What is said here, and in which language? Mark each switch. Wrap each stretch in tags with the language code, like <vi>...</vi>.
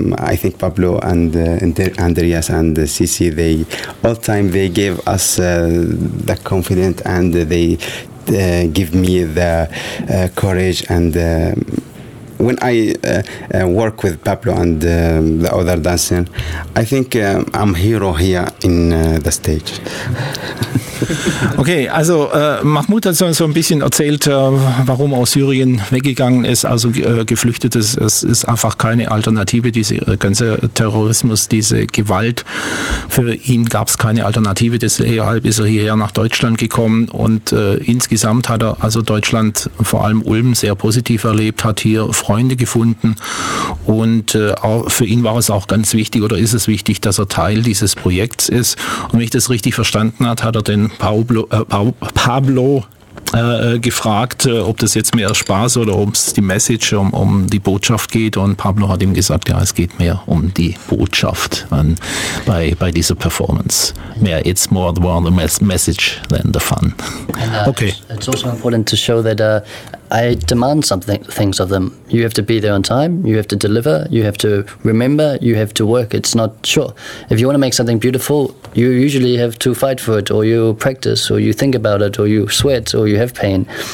<en>I think Pablo and Andreas and Sisi, they all time they gave us the confidence and they give me the courage. And when I work with Pablo and the other dancers, I think I'm a hero here in the stage.</en> <de>Okay, also Mahmoud hat so ein bisschen erzählt, warum aus Syrien weggegangen ist, also geflüchtet ist. Es ist einfach keine Alternative, dieser ganze Terrorismus, diese Gewalt. Für ihn gab es keine Alternative, deshalb ist er hierher nach Deutschland gekommen. Und insgesamt hat er also Deutschland, vor allem Ulm, sehr positiv erlebt, hat hier Freunde gefunden. Und auch für ihn war es auch ganz wichtig, oder ist es wichtig, dass er Teil dieses Projekts ist. Und wenn ich das richtig verstanden habe, hat er den Pablo gefragt, ob das jetzt mehr Spaß oder ob es die Message, um die Botschaft geht. Und Pablo hat ihm gesagt, ja, es geht mehr um die Botschaft bei dieser Performance. Mehr,</de> <en>it's more the message than the fun. Okay. It's also important to show that I demand things of them. You have to be there on time. You have to deliver. You have to remember. You have to work. It's not sure. If you want to make something beautiful, you usually have to fight for it, or you practice, or you think about it, or you sweat, or you have pain.</en>